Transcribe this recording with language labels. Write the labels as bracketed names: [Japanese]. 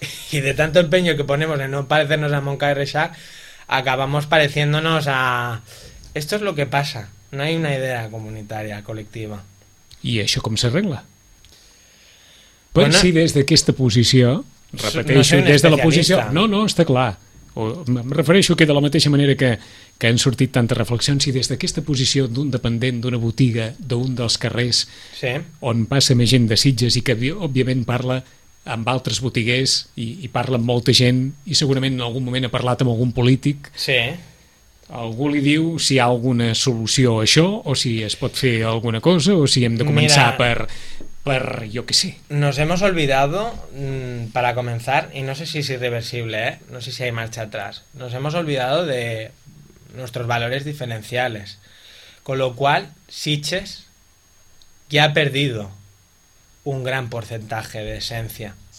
[Spanish] Y de tanto empeño que ponemos en no parecernos a Moncada y Reixac, acabamos pareciéndonos a... Esto es lo que pasa. No hay una idea comunitaria, colectiva. ¿Y eso cómo se arregla? Pues bueno, sí, desde que esta posición... [Catalan] Repeteixo, [Spanish] no soy un desde la posición... No, está claro. [Catalan] Me refereixo que de la mateixa manera que han sortit tantes reflexions, si des d'aquesta posició d'un dependent d'una botiga, d'un dels carrers, sí, on passa més gent de Sitges i que, òbviament, parla amb altres botiguers i parla amb molta gent i segurament en algun moment ha parlat amb algun polític. Sí. Algú li diu si hi ha alguna solució a això o si es pot fer alguna cosa o si hem de començar. Mira, per jo que sé. [Spanish] Nos hemos olvidado, para comenzar, y no sé si es irreversible, no sé si hay marcha atrás, nos hemos olvidado de nuestros valores diferenciales. Con lo cual, Sitges ya ha perdido un gran porcentaje de esencia.